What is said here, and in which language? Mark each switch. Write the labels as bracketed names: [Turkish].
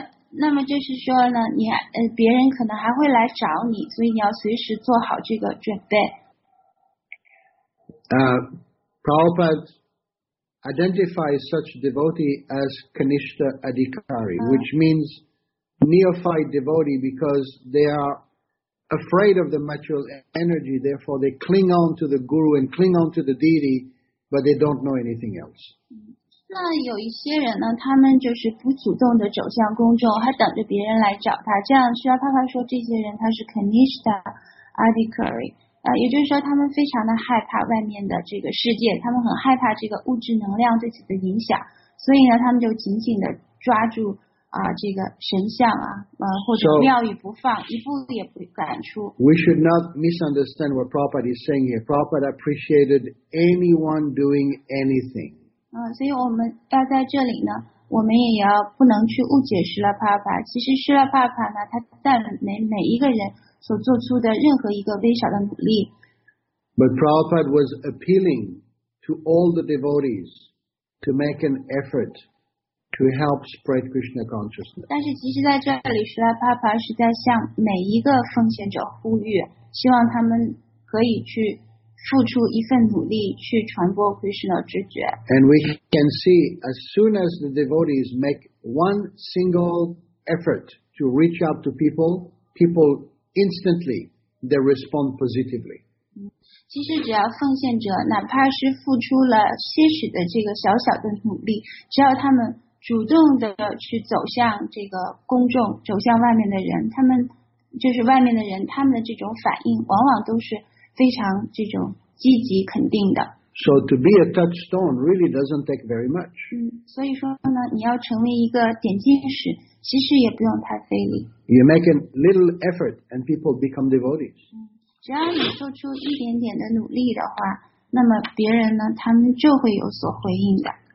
[Chinese] 那么就是说呢，你别人可能还会来找你，所以你要随时做好这个准备。 [English] Prabhupada identifies such devotee as Kanishtha Adhikari, which means neophyte devotee because they are afraid of the material energy, therefore they cling on to the guru and cling on to the deity, but they don't know anything else. [Chinese] 那有一些人呢，他们就是不主动的走向公众，还等着别人来找他。这样，Srila Prabhupada说这些人他是 Kanishtha Adhikari。也就是说他们非常的害怕外面的这个世界，他们很害怕这个物质能量对自己的影响，所以呢他们就紧紧的抓住这个神像或者庙宇不放，一步也不敢出。 [English] We should not misunderstand what Prabhupada is saying here. Prabhupada appreciated anyone doing anything. [Chinese] 所以我们要在这里呢，我们也要不能去误解Srila Prabhupada。其实Srila Prabhupada呢，他赞美每一个人所做出的任何一个微小的努力。 [English] But Prabhupada was appealing to all the devotees to make an effort to help spread Krishna consciousness. [Chinese] 但是其实在这里，Srila Prabhupada是在向每一个奉献者呼吁，希望他们可以去付出一份努力去传播 Krishna 知觉。 [English] And we can see as soon as the devotees make one single effort to reach out to people, people instantly they respond positively. [Chinese] 其实只要奉献者哪怕是付出了些许的这个小小的努力，只要他们主动的去走向这个公众，走向外面的人，他们就是外面的人，他们的这种反应往往都是非常这种积极肯定的。 [English] So to be a touchstone really doesn't take very much. [Chinese] 所以说呢，你要成为一个点金石，其实也不用太费力。 [English] You make a little effort and people become devotees. [Chinese] 只要你做出一点点的努力的话，那么别人呢，他们就会有所回应的。